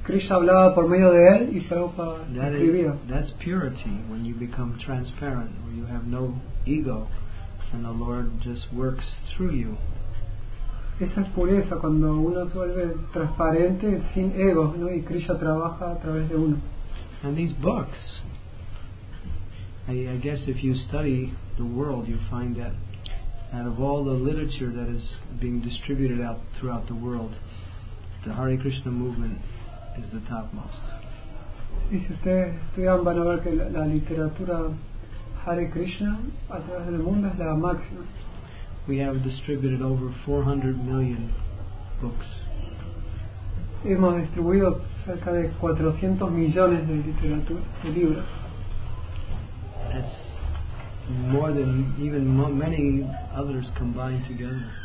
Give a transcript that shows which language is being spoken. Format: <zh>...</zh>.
<es>Krishna hablaba por medio de él y Prabhupada escribía.</es> <en>That's purity, when you become transparent, where you have no ego and the Lord just works through you.</en> <es>Esa es pureza, cuando uno se vuelve transparente sin ego, ¿no? Y Krishna trabaja a través de uno.</es> <en>And these books, I guess if you study the world, you find that out of all the literature that is being distributed out throughout the world, the Hare Krishna movement is the topmost.</en> <es>Y si ustedes estudian, van a ver que la literatura Hare Krishna a través del mundo es la máxima.</es> <en>We have distributed over 400 million books.</en> <es>Hemos distribuido cerca de 400 millones de literatura, de libros.</es> <en>That's more than even many others combined together.</en>